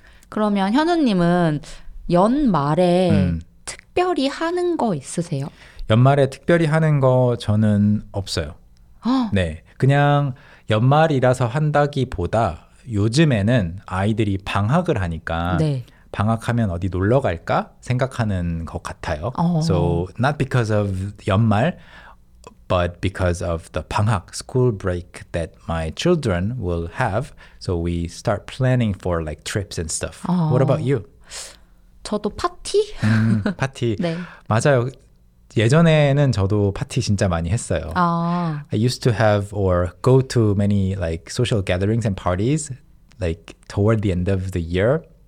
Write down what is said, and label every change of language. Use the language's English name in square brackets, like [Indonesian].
[Korean] 그러면 현우님은 연말에 특별히 하는 거 있으세요? 연말에 특별히 하는 거 저는 없어요. 허? 네, 그냥 연말이라서 한다기보다 요즘에는 아이들이 방학을 하니까 네. 방학하면 어디 놀러 갈까 생각하는 것 같아요. 어. [English] So not because of 연말, but because of the 방학, school break that my children will have. So we start planning for like trips and stuff. 어. What about you? [Korean] 저도 파티? 파티. 네. 맞아요. 예전에는 저도 파티 진짜 많이 했어요. 아. [English] I used to have or go to many like social gatherings and parties like toward the end of the year.